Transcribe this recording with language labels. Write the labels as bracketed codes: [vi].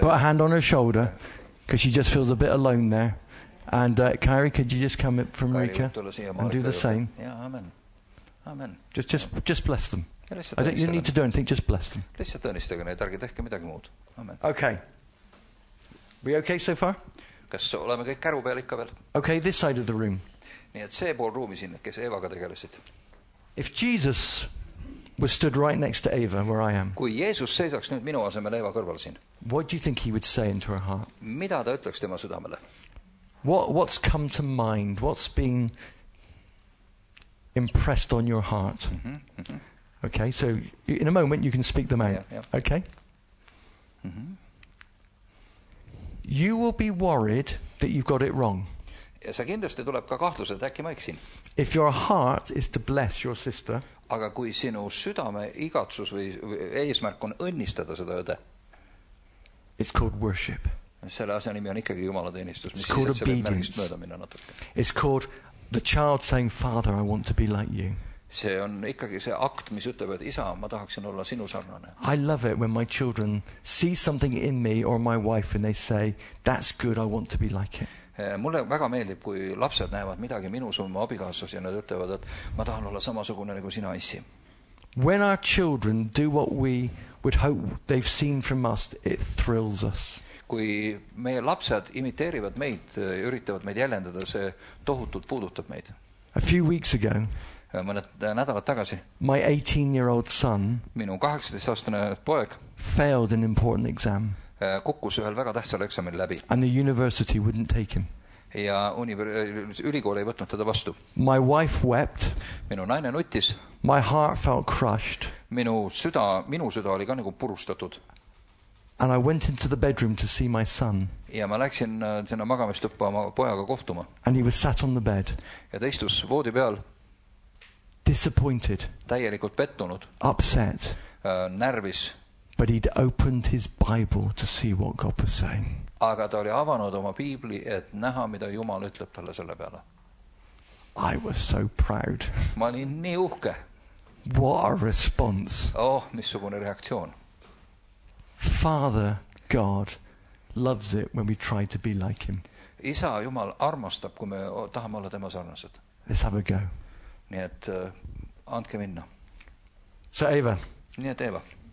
[en] Put a hand on her shoulder because she just feels a bit alone there. And Kairi, could you just come up from Marika and do the same? Yeah, amen. Amen. Just bless them. I don't, you need to do anything, just bless them. [et] Lihtsalt õnnistage neid, ärge tehke midagi muud. [en] Amen. Okay. We okay so far? [et] Kas oleme kõik käru peal ikka veel? [en] Okay, this side of the room. [et] Nii et see pool ruumi siin, kes Eevaga tegelesid. [en] If Jesus was stood right next to Eva, where I am. [et] Kui Jeesus seisaks nüüd minu asemel Eeva kõrval siin. [en] What do you think he would say into her heart? [et] Mida ta ütleks tema südamele? [en] What's come to mind? What's been impressed on your heart? Mm-hmm. Okay, so in a moment you can speak them out. Yeah. Okay? Mm-hmm. You will be worried that you've got it wrong. [et] Ja sa kindlasti tuleb ka kahtlus, et äkki ma eksin. [en] If your heart is to bless your sister, [et] aga kui sinu südame igatsus või eesmärk on õnnistada seda õde, [en] it's called worship. [et] Selle asja nimi on ikkagi Jumala teenistus. [en] It's called obedience. It's called the child saying, Father, I want to be like you. [et] See on ikkagi see akt, mis ütleb, et isa, ma tahaksin olla sinu sarnane. [en] I love it when my children see something in me or my wife and they say, that's good, I want to be like it. [et] Mulle väga meeldib, kui lapsed näevad midagi minu summa abikaasas ja nad ütlevad, et ma tahan olla samasugune nagu sina issi. [en] When our children do what we would hope they've seen from us, it thrills us. [et] Kui meie lapsed imiteerivad meid ja üritavad meid jäljendada, see tohutult puudutab meid. [en] A few weeks ago, [et] mõned nädalad tagasi, [en] my 18-year-old son, [et] minu 18-aastane poeg, [en] failed an important exam. [et] Kukkus ühel väga tähtsal eksamil läbi. [en] And the university wouldn't take him. [et] Ja ülikool ei võtnud teda vastu. [en] My wife wept. [et] Minu naine nutis. [en] My heart felt crushed. [et] Minu süda oli ka nagu purustatud. [en] And I went into the bedroom to see my son. [et] Ja ma läksin sinna magamistuppa oma pojaga kohtuma. [en] And he was sat on the bed. [et] Ja ta istus voodi peal. [en] Disappointed. [et] Täielikult pettunud. [en] Upset. [et] Närvis. [en] But he'd opened his Bible to see what God was saying. [et] Aga ta oli avanud oma piibli, et näha, mida Jumal ütleb talle selle peale. [en] I was so proud. [et] Ma olin nii uhke. [en] What a response. [et] Oh, missugune reaktsioon. [en] Father God loves it when we try to be like him. [et] Isa Jumal armastab, kui me tahame olla tema sarnased. [en] Let's have a go. [et] Nii et antke minna. [en] So Eva. [et] Nii et Eva.